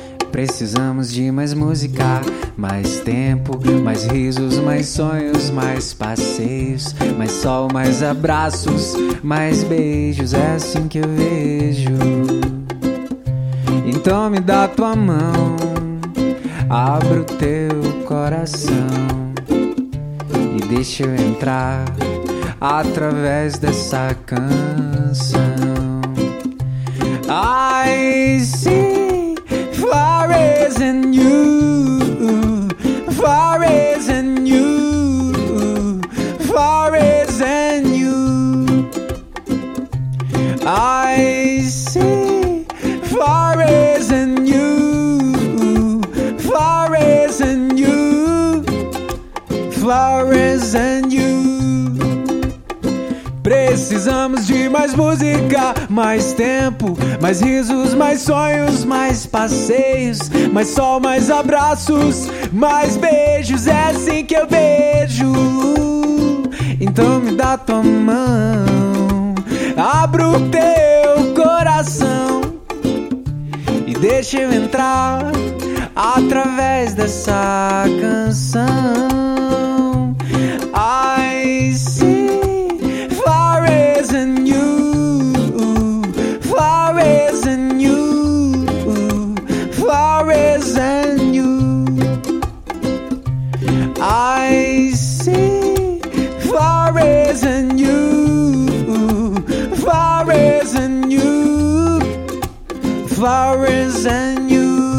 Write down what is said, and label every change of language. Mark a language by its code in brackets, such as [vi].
[pt] Precisamos de mais música, mais tempo, mais risos, mais sonhos, mais passeios, mais sol, mais abraços, mais beijos, é assim que eu vejo. Então me dá tua mão, abra o teu coração e deixa eu entrar através dessa canção. [en] I see flowers in you, flowers in you, flowers in you. I see flowers in you, flowers in you, flowers in you. [pt] Precisamos de mais música, mais tempo, mais risos, mais sonhos, mais passeios, mais sol, mais abraços, mais beijos, é assim que eu vejo. Então me dá tua mão, abra o teu coração e deixa eu entrar através dessa canção. [en] I see flowers in you, flowers in you, flowers in you. I see flowers in you, flowers in you, flowers in you.